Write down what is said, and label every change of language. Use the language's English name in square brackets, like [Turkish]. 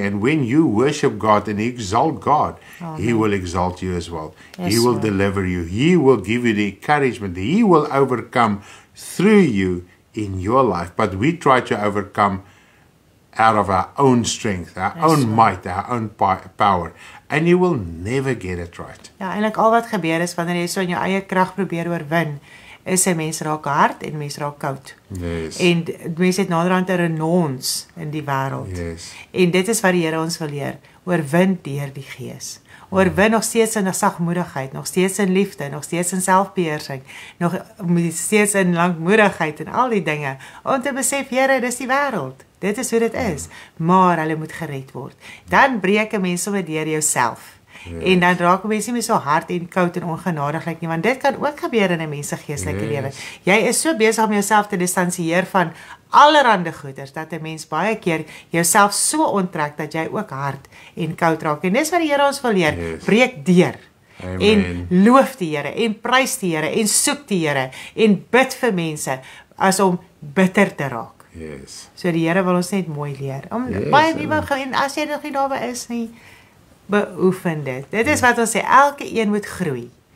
[English] And when you worship God and exalt God, Amen. He will exalt you as well. Yes, he will deliver you. He will give you the encouragement. He will overcome through you in your life. But we try to overcome out of our own strength, our own might, our own power. And you will never get it right. [Afrikaans] Ja, eintlik al wat gebeur is, wanneer jy so in jou eie krag probeer oorwin, is 'n mens raak hard en mens raak koud. [English] Yes. [Afrikaans] En mens het naderhand 'n renons in die wêreld. [English] Yes. [Afrikaans] En dit is wat die Here ons wil leer. Oorwin deur die Gees. Oorwin nog steeds in sagmoedigheid, nog steeds in liefde, nog steeds in selfbeheersing, nog steeds in lankmoedigheid en al die dinge. Om te besef, Here, dis die wêreld. Dit is hoe dit is, maar hulle moet gered word. Dan breek 'n mens sommer deur jouself. En dan raak 'n mens nie meer so hard en koud en ongenadiglik nie, want dit kan ook gebeur in 'n mens se geestelike lewe. Jy is so besig om jouself te distansieer van allerhande goeders, dat 'n mens baie keer jouself so onttrek, dat jy ook hard en koud raak. En dis wat die Here ons wil leer, breek deur. Amen. En loof die Here, en prys die Here, en soek die Here, en bid vir mense, as om bitter te raak. [English] Yes. [Afrikaans] So die Here wil ons net mooi leer. Om baie nuwe en as jy nog nie daarby is nie, beoefen dit. Dit is wat ons sê, elke een moet groei.